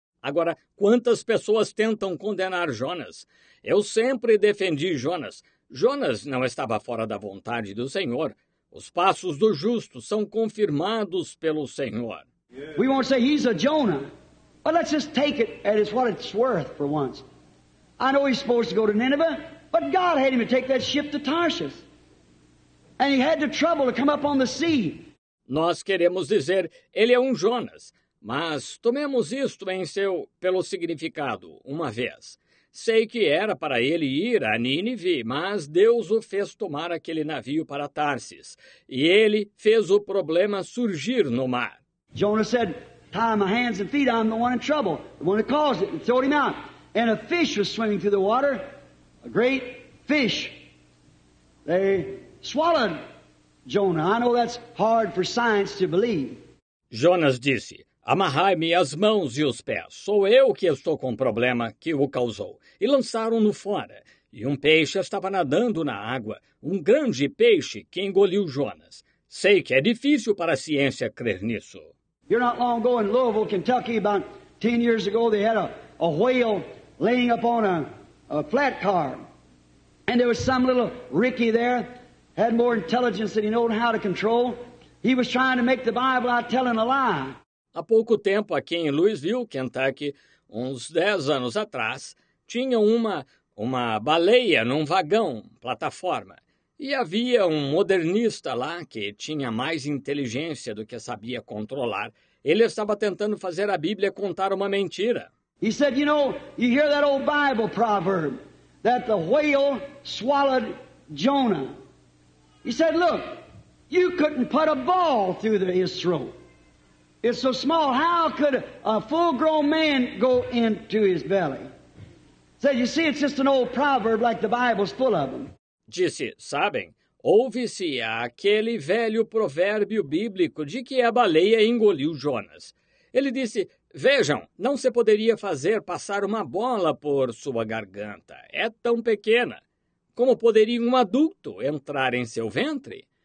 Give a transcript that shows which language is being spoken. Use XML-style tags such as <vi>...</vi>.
<pt>Agora, quantas pessoas tentam condenar Jonas? Eu sempre defendi Jonas. Jonas não estava fora da vontade do Senhor. Os passos do justo são confirmados pelo Senhor.</pt> <en>We won't say he's a Jonah, but let's just take it at what it's worth for once. I know he's supposed to go to Nineveh, but God had him to take that ship to Tarshish. And he had the trouble to come up on the sea.</en> <pt>Nós queremos dizer, ele é um Jonas, mas tomemos isto em seu pelo significado uma vez. Sei que era para ele ir a Nínive, mas Deus o fez tomar aquele navio para Tarsis. E ele fez o problema surgir no mar.</pt> <en>Jonah said, tie my hands and feet, I'm the one in trouble. The one who caused it, and throw him out. And a fish was swimming through the water, a great fish. They swallowed Jonah. I know that's hard for science to believe.</en> <pt>Jonas disse, amarrai-me as mãos e os pés. Sou eu que estou com o problema que o causou. E lançaram-no fora. E um peixe estava nadando na água. Um grande peixe que engoliu Jonas. Sei que é difícil para a ciência crer nisso.</pt> <en>You're not long ago in Louisville, Kentucky, about 10 years ago, they had a whale laying up on a flat car. And there was some little Ricky there, had more intelligence than he knew how to control. He was trying to make the Bible out telling a lie.</en> <pt>Há pouco tempo, aqui em Louisville, Kentucky, uns 10 anos atrás, tinha uma baleia num vagão, plataforma. E havia um modernista lá que tinha mais inteligência do que sabia controlar. Ele estava tentando fazer a Bíblia contar uma mentira.</pt> <en>He said, you know, you hear that old Bible proverb that the whale swallowed Jonah. He said, look, you couldn't put a ball through his throat. It's so small, how could a full-grown man go into his belly? Said, you see, it's just an old proverb like the Bible's full of them.</en> <pt>Disse, sabem, ouve-se aquele velho provérbio bíblico de que a baleia engoliu Jonas. Ele disse, vejam, não se poderia fazer passar uma bola por sua garganta. É tão pequena. Como poderia um adulto entrar em seu ventre?</pt>